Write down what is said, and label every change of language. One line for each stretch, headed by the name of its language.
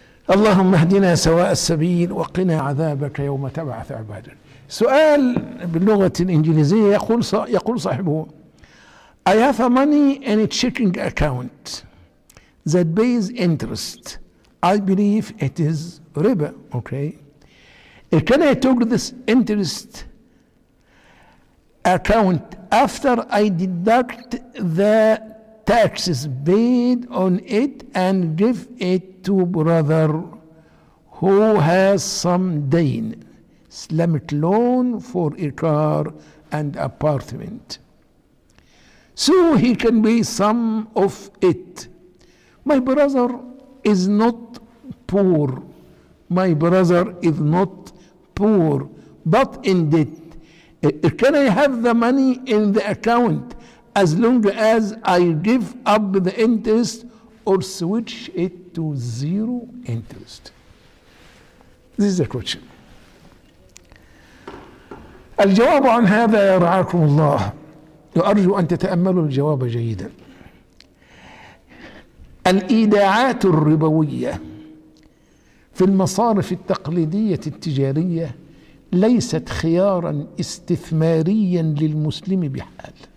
Arabic: اللهم اهدنا سواء السبيل وقنا عذابك يوم تبعث عبادك. سؤال باللغة الإنجليزية يقول صاحبه:
English: I have a money in a checking account that pays interest. I believe it is riba. Okay. Can I take this interest account after I deduct the taxes paid on it and give it to brother who has some deen, Islamic loan for a car and apartment, so he can pay some of it? My brother is not poor. My brother is not poor, but in debt. Can I have the money in the account as long as I give up the interest or switch it to zero interest? This is the question.
Arabic: الجواب عن هذا يا رعاكم الله، وأرجو أن تتأملوا الجواب جيدا. الإيداعات الربوية في المصارف التقليدية التجارية ليست خيارا استثماريا للمسلم بحال.